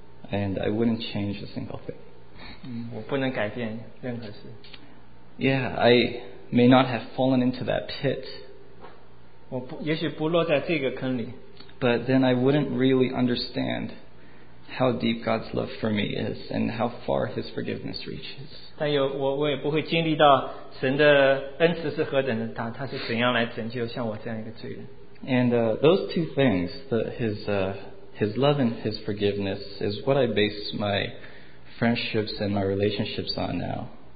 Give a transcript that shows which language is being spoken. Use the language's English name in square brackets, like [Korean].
[English] and I wouldn't change a single thing. [Chinese] 我不能改变任何事。 [English] Yeah, I may not have fallen into that pit. [Chinese] 我也许不落在这个坑里。 [English] But then I wouldn't really understand how deep God's love for me is and how far His forgiveness reaches. [Chinese] 但我也不会经历到神的恩慈是何等的大, 祂是怎样来拯救像我这样一个罪人。 [English] And those two things, his love and his forgiveness, is what I base my friendships and my relationships on now.